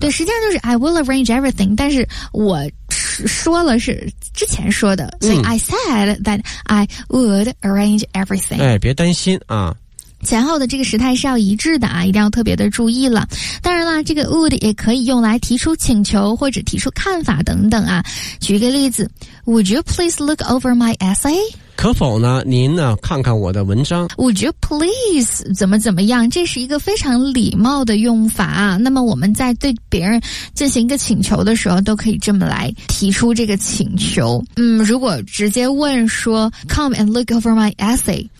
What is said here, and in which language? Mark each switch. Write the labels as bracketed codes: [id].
[zh] 对，实际上就是 [en] I will arrange everything, [zh] 但是我说了是之前说的，所以 [en] I said that I would arrange everything. [zh] 哎，别担心啊。前后的这个时态是要一致的啊，一定要特别的注意了。当然啦，这个 would 也可以用来提出请求或者提出看法等等啊。举一个例子， [en] Would you please look over my essay? [zh] 可否呢您呢看看我的文章。 [en] Would you please [zh] 怎么怎么样，这是一个非常礼貌的用法啊。那么我们在对别人进行一个请求的时候都可以这么来提出这个请求。嗯，如果直接问说 [en] Come and look over my essay，